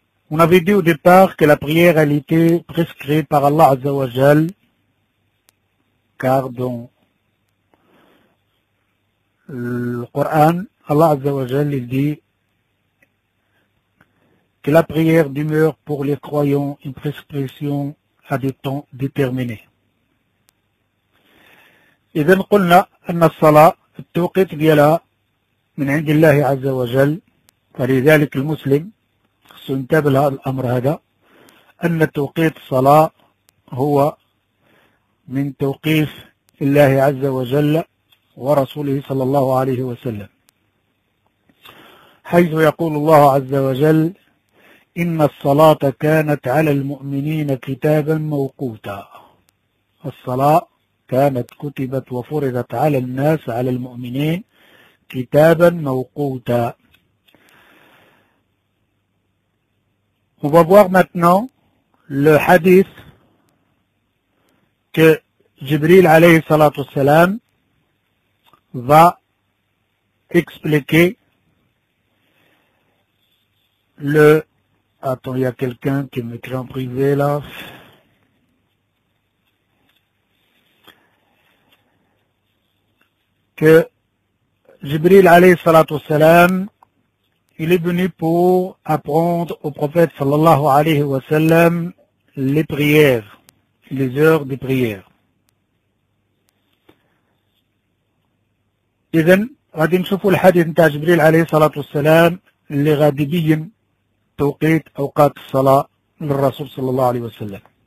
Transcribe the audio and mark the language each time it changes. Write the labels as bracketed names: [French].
[French] On avait dit au départ que la prière elle était prescrite par Allah Azza wa Jal, car dans le Coran, Allah Azza wa Jal il dit que la prière demeure pour les croyants une prescription à des temps déterminés. [Arabic] إذن قلنا أن الصلاة التوقيت ديالها من عند الله عز وجل، فلذلك المسلم خصو ينتبه لهذا الأمر، هذا أن توقيت الصلاة هو من توقيف الله عز وجل ورسوله صلى الله عليه وسلم، حيث يقول الله عز وجل إن الصلاة كانت على المؤمنين كتابا موقوتا. الصلاة كانت كتبت وفرضت على الناس على المؤمنين كتابا موقوتا. [French] On va voir maintenant le hadith que Jibril [Arabic] عليه الصلاة والسلام [French] va expliquer le... Attends, il y a quelqu'un qui m'écrit en privé là. Que Jibril alayhi salatu wassalam, il est venu pour apprendre au prophète sallallahu alayhi wa sallam les prières, les heures de prière. Et bien, [Arabic] غادي نشوفوا الحديث نتاع جبريل عليه الصلاه والسلام اللي غادي يبين توقيت اوقات الصلاه للرسول صلى الله عليه وسلم.